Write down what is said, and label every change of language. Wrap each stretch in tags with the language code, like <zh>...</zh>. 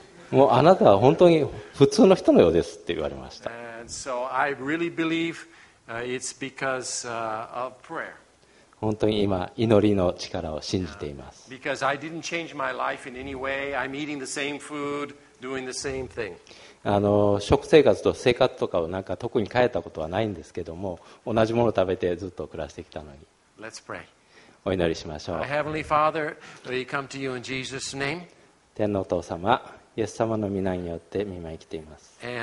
<ja>もうあなたは本当に普通の人のようですって言われました。</ja> <en>So I really believe it's because of prayer.</en> <ja>本当に今祈りの力を信じています。</ja> <en>Because I didn't change my life in any way. I'm eating the same food, doing the same thing.</en> <ja>食生活と生活とかをなんか特に変えたことはないんですけども、同じものを食べてずっと暮らしてきたのに。</ja> <en>Let's pray.</en> <ja>お祈りしましょう。</ja> <en>Heavenly Father, we come to you in Jesus' name.</en> <ja>天のお父様。イエス様の御名によって御前に来ています。</ja>